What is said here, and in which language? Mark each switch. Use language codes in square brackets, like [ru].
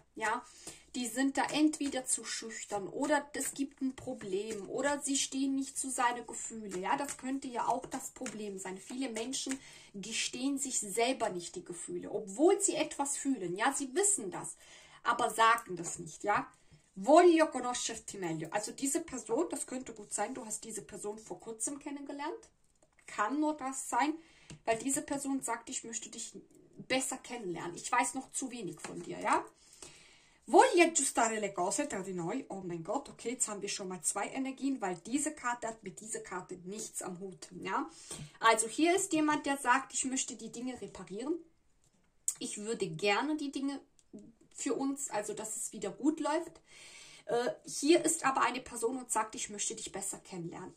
[de] Ja, die sind da entweder zu schüchtern oder es gibt ein Problem oder sie stehen nicht zu seinen Gefühlen. Ja, das könnte ja auch das Problem sein. Viele Menschen gestehen sich selber nicht die Gefühle, obwohl sie etwas fühlen. Ja, sie wissen das, aber sagen das nicht. [it] Ja, voglio conoscerti meglio. [de] Also diese Person, das könnte gut sein, du hast diese Person vor kurzem kennengelernt. Kann nur das sein, weil diese Person sagt, ich möchte dich besser kennenlernen. Ich weiß noch zu wenig von dir, ja? [it] Voglio aggiustare le cose tra di noi. [de] Oh mein Gott, okay, jetzt haben wir schon mal zwei Energien, weil diese Karte hat mit dieser Karte nichts am Hut, ja? Also hier ist jemand, der sagt, ich möchte die Dinge reparieren. Ich würde gerne die Dinge für uns, also dass es wieder gut läuft. Hier ist aber eine Person und sagt, ich möchte dich besser kennenlernen.